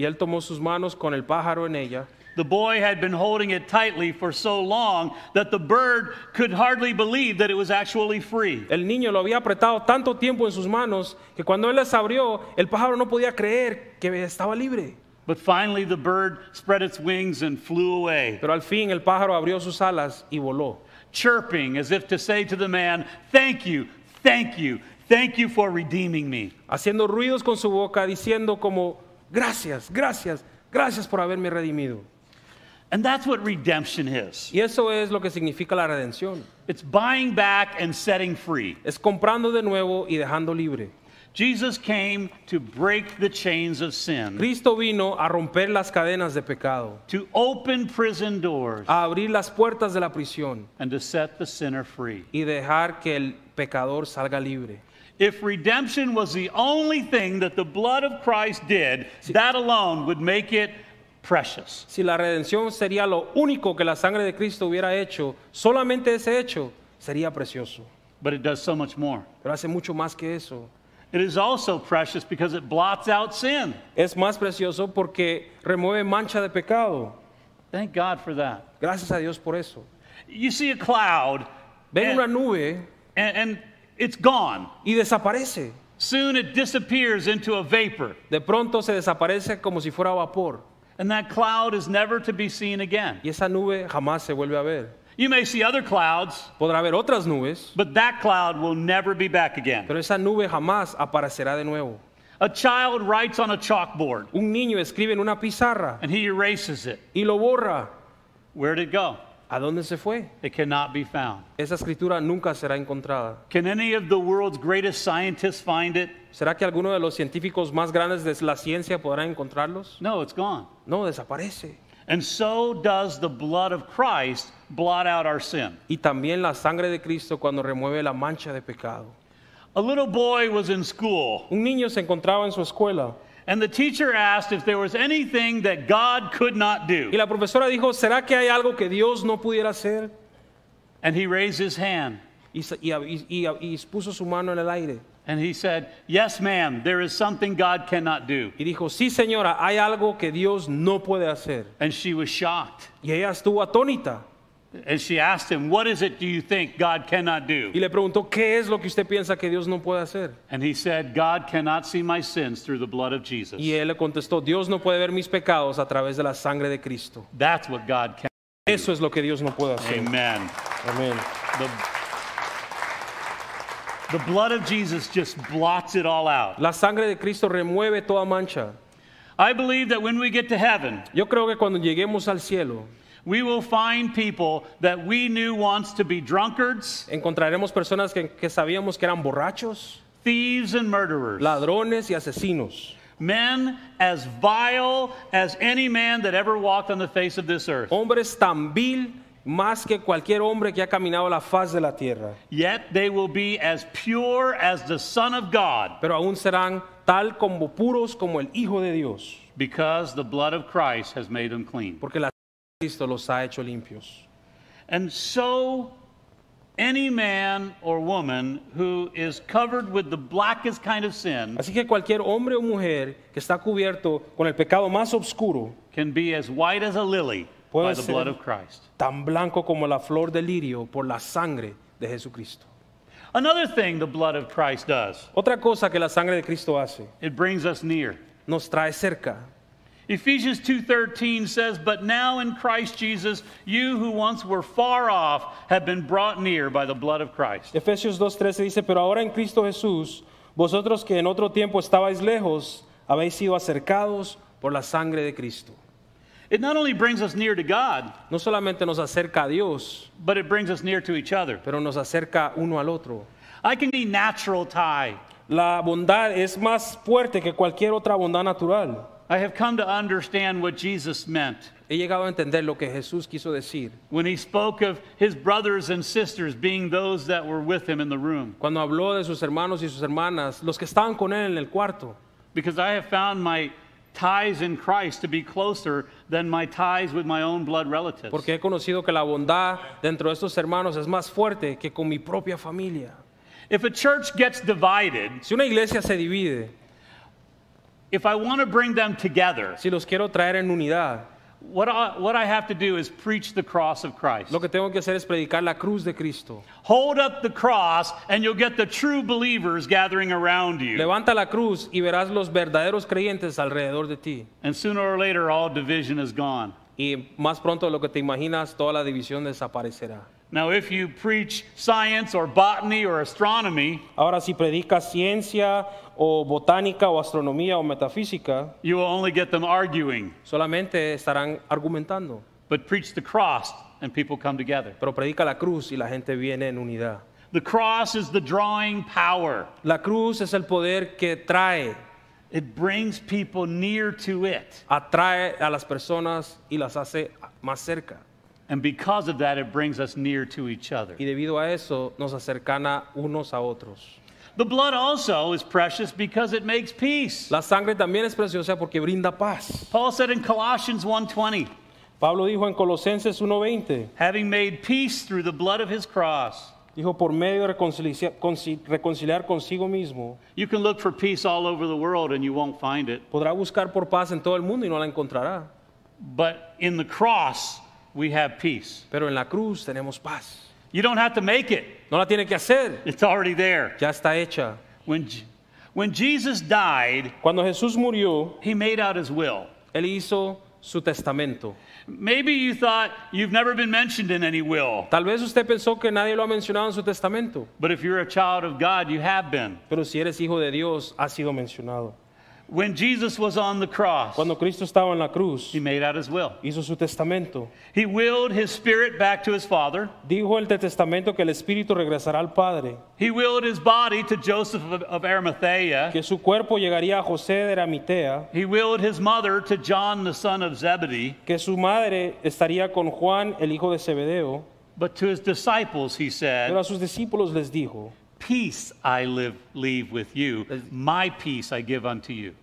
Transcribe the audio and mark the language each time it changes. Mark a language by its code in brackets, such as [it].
[es] Y él tomó sus manos con el pájaro en ella. [en] The boy had been holding it tightly for so long that the bird could hardly believe that it was actually free. [es] El niño lo había apretado tanto tiempo en sus manos que cuando él las abrió, el pájaro no podía creer que estaba libre. [en] But finally the bird spread its wings and flew away. [es] Pero al fin el pájaro abrió sus alas y voló. [en] Chirping as if to say to the man, "Thank you, thank you. Thank you for redeeming me." [es] Haciendo ruidos con su boca, diciendo como, gracias, gracias, gracias por haberme redimido. [en] And that's what redemption is. [es] Y eso es lo que significa la redención. [en] It's buying back and setting free. [es] Es comprando de nuevo y dejando libre. [en] Jesus came to break the chains of sin. [es] Cristo vino a romper las cadenas de pecado. [en] To open prison doors. [es] A abrir las puertas de la prisión. [en] And to set the sinner free. [es] Y dejar que el pecador salga libre. [en] If redemption was the only thing that the blood of Christ did, that alone would make it precious. [es] Si la redención sería lo único que la sangre de Cristo hubiera hecho, solamente ese hecho sería precioso. [en] But it does so much more. [es] Pero hace mucho más que eso. [en] It is also precious because it blots out sin. [es] Es más precioso porque remueve mancha de pecado. [en] Thank God for that. [es] Gracias a Dios por eso. [en] You see a cloud. [es] Ven una nube. [en] And it's gone. [es] Y desaparece. [en] Soon it disappears into a vapor. [es] De pronto se desaparece como si fuera vapor. [en] And that cloud is never to be seen again. [es] Y esa nube jamás se vuelve a ver. [en] You may see other clouds. [es] Podrá haber otras nubes. [en] But that cloud will never be back again. [es] Pero esa nube jamás aparecerá de nuevo. [en] A child writes on a chalkboard. [es] Un niño escribe en una pizarra. [en] And he erases it. [es] Y lo borra. [en] Where did it go? [es] ¿A dónde se fue? [en] It cannot be found. [es] Esa escritura nunca será encontrada. [en] Can any of the world's greatest scientists find it? [es] ¿Será que alguno de los científicos más grandes de la ciencia podrá encontrarlos? [en] No, it's gone. [es] No, desaparece. [en] And so does the blood of Christ blot out our sin. [es] Y también la sangre de Cristo cuando remueve la mancha de pecado. [en] A little boy was in school. [es] Un niño se encontraba en su escuela. [en] And the teacher asked if there was anything that God could not do. [es] Y la profesora dijo, ¿será que hay algo que Dios no pudiera hacer? [en] And he raised his hand. [es] Y puso su mano en el aire. [en] And he said, "Yes, ma'am, there is something God cannot do." [es] Y dijo, "Sí, señora, hay algo que Dios no puede hacer." [en] And she was shocked. [es] Y ella estuvo atónita. [en] And she asked him, "What is it do you think God cannot do?" [es] Y le preguntó, "¿Qué es lo que usted piensa que Dios no puede hacer?" [en] And he said, "God cannot see my sins through the blood of Jesus." [es] Y él le contestó, "Dios no puede ver mis pecados a través de la sangre de Cristo." [en] That's what God can. [es] Eso es lo que Dios no puede hacer. [en] Amen. [es] Amen. [en] The blood of Jesus just blots it all out. [es] La sangre de Cristo remueve toda mancha. [en] I believe that when we get to heaven, [es] yo creo que cuando lleguemos al cielo, [en] we will find people that we knew once to be drunkards. [es] Encontraremos personas que sabíamos que eran borrachos. [en] Thieves and murderers. [es] Ladrones y asesinos. [en] Men as vile as any man that ever walked on the face of this earth. [es] Hombres tan vil más que cualquier hombre que ha caminado la faz de la tierra. [en] Yet they will be as pure as the Son of God. [es] Pero aún serán tal como puros como el Hijo de Dios. [en] Because the blood of Christ has made them clean. [es] Porque la sangre de Cristo los ha hecho limpios. [en] And so any man or woman who is covered with the blackest kind of sin. [es] Así que cualquier hombre o mujer que está cubierto con el pecado más oscuro [en] can be as white as a lily. By the blood of Christ. [es] Tan blanco como la flor de lirio por la sangre de Jesucristo. [en] Another thing the blood of Christ does. [es] Otra cosa que la sangre de Cristo hace. [en] It brings us near. [es] Nos trae cerca. [en] Ephesians 2:13 says, "But now in Christ Jesus, you who once were far off have been brought near by the blood of Christ." [es] Efesios 2:13 dice, "Pero ahora en Cristo Jesús, vosotros que en otro tiempo estabais lejos, habéis sido acercados por la sangre de Cristo." [en] It not only brings us near to God, [es] no solamente nos acerca a Dios, [en] but it brings us near to each other. [es] Pero nos acerca uno al otro. [en] I can be natural tie. [es] La bondad es más fuerte que cualquier otra bondad natural. [en] I have come to understand what Jesus meant. [es] He llegado a entender lo que Jesús quiso decir. [en] When he spoke of his brothers and sisters being those that were with him in the room. [es] Cuando habló de sus hermanos y sus hermanas, los que estaban con él en el cuarto. [en] Because I have found my ties in Christ to be closer than my ties with my own blood relatives. [es] Porque he conocido que la bondad dentro de estos hermanos es más fuerte que con mi propia familia. [en] If a church gets divided, [es] si una iglesia se divide, [en] if I want to bring them together, [es] si los quiero traer en unidad, [en] what I have to do is preach the cross of Christ. [es] Lo que tengo que hacer es predicar la cruz de Cristo. [en] Hold up the cross and you'll get the true believers gathering around you. [es] Levanta la cruz y verás los verdaderos creyentes alrededor de ti. [en] And sooner or later all division is gone. [es] Y más pronto de lo que te imaginas toda la división desaparecerá. [en] Now if you preach science or botany or astronomy, [es] ahora si predicas ciencia o botánica o astronomía o metafísica, [en] you will only get them arguing. [es] Solamente estarán argumentando. [en] But preach the cross and people come together. [es] Pero predica la cruz y la gente viene en unidad. [en] The cross is the drawing power. [es] La cruz es el poder que trae. [en] It brings people near to it. [es] Atrae a las personas y las hace más cerca. [en] And because of that, it brings us near to each other. [es] Y debido a eso, nos acercan unos a otros. [en] The blood also is precious because it makes peace. [es] La sangre también es preciosa porque brinda paz. [en] Paul said in Colossians 1:20. [es] Pablo dijo en Colosenses 1:20. [en] Having made peace through the blood of his cross. [es] Dijo por medio de reconciliar consigo mismo. [en] You can look for peace all over the world and you won't find it. [es] Podrá buscar por paz en todo el mundo y no la encontrará. [en] But in the cross we have peace. [es] Pero en la cruz tenemos paz. [en] You don't have to make it. [es] No la tiene que hacer. [en] It's already there. [es] Ya está hecha. [en] When Jesus died, [es] cuando Jesús murió, [en] he made out his will. [es] Él hizo su testamento. [en] Maybe you thought you've never been mentioned in any will. [es] Tal vez usted pensó que nadie lo ha mencionado en su testamento. [en] But if you're a child of God, you have been. [es] Pero si eres hijo de Dios, has sido mencionado. [en] When Jesus was on the cross, [es] cuando Cristo estaba en la cruz, [en] he made out his will. [es] Hizo su testamento. [en] He willed his spirit back to his father. [es] Dijo el testamento que el espíritu regresará al padre. [en] He willed his body to Joseph of Arimathea. [es] Que su cuerpo llegaría a José de Arimatea. [en] He willed his mother to John, the son of Zebedee. [es] Que su madre estaría con Juan, el hijo de Zebedeo. [en] But to his disciples, he said, [es] pero a sus discípulos les dijo, [en] peace I leave with you, my peace I give unto you.